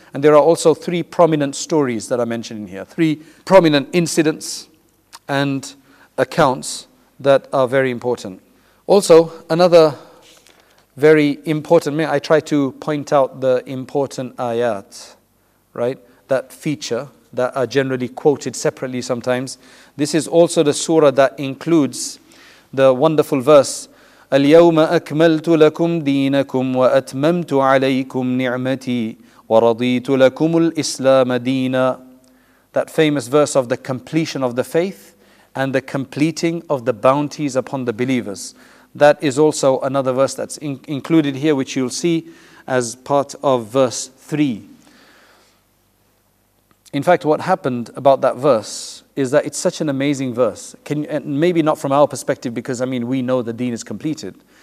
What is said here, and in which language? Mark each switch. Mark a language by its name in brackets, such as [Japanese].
[English] And there are also three prominent stories that are mentioned in here. Three prominent incidents and accounts that are very important. Also, another very important, may I try to point out the important ayat, right? That feature that are generally quoted separately sometimes. [Arabic] This is also the surah that includes the wonderful verse, اليوم أكملت لكم دينكم وأتممت عليكم نعمتي ورضيت لكم الإسلام دينا. [English] That famous verse of the completion of the faith and the completing of the bounties upon the believers. That is also another verse that's included here, which you'll see as part of verse 3. In fact, what happened about that verse is that it's such an amazing verse. Maybe not from our perspective, because I mean, we know the deen is completed.